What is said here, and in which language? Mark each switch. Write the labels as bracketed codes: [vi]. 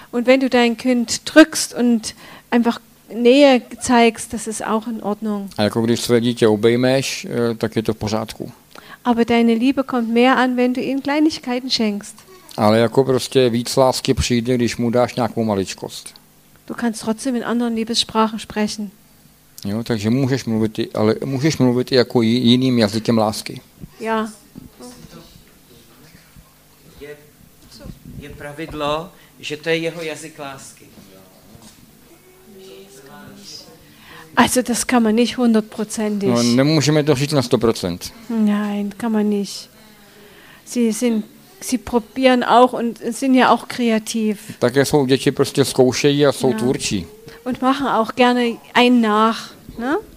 [de] Und wenn du dein Kind drückst und einfach Nähe zeigst, das ist auch in Ordnung. [cs] A jako když své dítě obejmeš, tak je to v pořádku. [de] Aber deine Liebe kommt mehr an, wenn du ihm Kleinigkeiten schenkst. [cs] Ale jako prostě víc lásky přijde, když mu dáš nějakou maličkost. [de] Du kannst trotzdem in anderen Liebessprachen sprechen. [cs] Jo, takže můžeš mluvit, ale můžeš mluvit jako jiným jazykem lásky. Já. Je pravidlo, že to je jeho jazyk lásky. [de] Also das kann man nicht hundertprozentig. [cs] No, nemůžeme to říct na 100%. [de] Nein, kann man nicht. Sie probieren auch und sind ja auch kreativ. [cs] Také jsou děti prostě zkoušejí a jsou tvůrčí. [de] Und machen auch gerne ein nach, ne?